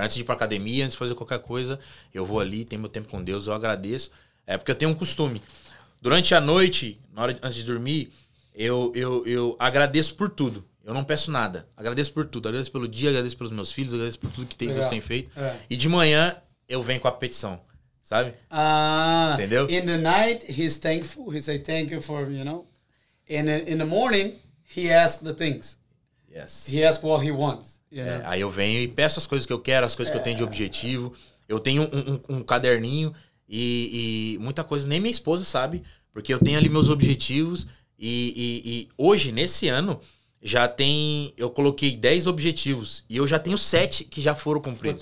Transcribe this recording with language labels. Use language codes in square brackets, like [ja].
[pt] Antes de ir para academia, antes de fazer qualquer coisa, eu vou ali, tenho meu tempo com Deus, eu agradeço. É porque eu tenho um costume. Durante a noite, antes de dormir, eu agradeço por tudo. Eu não peço nada. Agradeço por tudo. Agradeço pelo dia, agradeço pelos meus filhos, agradeço por tudo que Deus tem feito. É. E de manhã, eu venho com a petição. Sabe? Entendeu? [en] In the night, he's thankful. He say thank you for, you know. And in the morning, he asks the things. Yes. He asks what he wants. Yeah. [pt] Aí eu venho e peço as coisas que eu quero, as coisas que eu tenho de objetivo. Eu tenho um caderninho e muita coisa, nem minha esposa sabe, porque eu tenho ali meus objetivos. E hoje, nesse ano, eu coloquei 10 objetivos e eu já tenho 7 que já foram cumpridos.